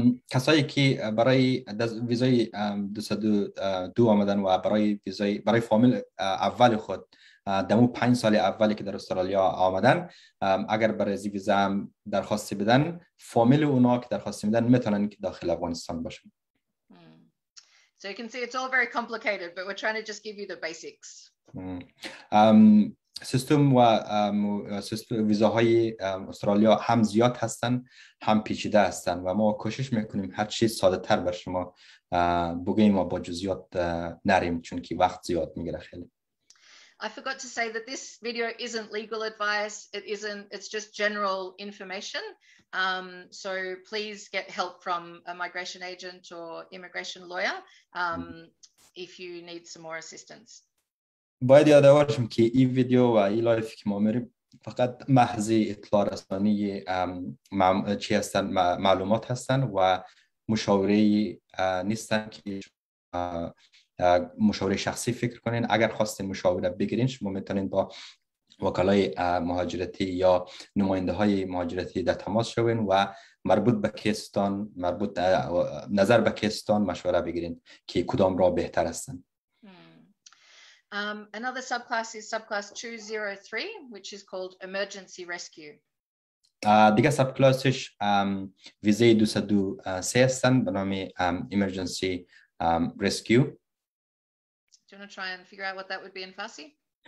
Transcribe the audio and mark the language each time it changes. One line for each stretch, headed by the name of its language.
Persian: کسایی که برای ویزای 202 آمدن و برای فامیل اول خود دمو 5 سال اولی که در استرالیا آمدن، اگر برای ویزا درخواستی بدن، فامیل اونا که درخواستی بدن میتونن که داخل افغانستان باشن.
English: So you can see it's all very complicated, but we're trying to just give you the basics.
Persian: سیستم و ویزاهای استرالیا هم زیاد هستن، هم پیچیده هستن، و ما کوشش میکنیم هر چی ساده تر بر شما بگیم و با جزئیات نریم، چون که وقت زیاد میگیره خیلی.
English: I forgot to say that this video isn't legal advice. It's just general information. So please get help from a migration agent or immigration lawyer if you need some more assistance.
Persian: باید یادآور شم که این ویدیو و این لایفی که ما میریم فقط محض اطلاع رسانی چی هستن، معلومات هستن و مشاوره نیستن که مشاوره شخصی فکر کنین. اگر خواستین مشاوره بگیرین، شما میتونین با وکلای مهاجرتی یا نماینده های مهاجرتی در تماس شوین و مربوط به کیستان، مربوط نظر به کیستان مشوره بگیرین که کدام را بهتر هستن.
English: Another subclass is subclass 203, which is called Emergency Rescue.
Persian: دیگه subclassش ویزه 203 هستن به نام Emergency Rescue.
English: Do you want to try and figure out what that would be in Farsi?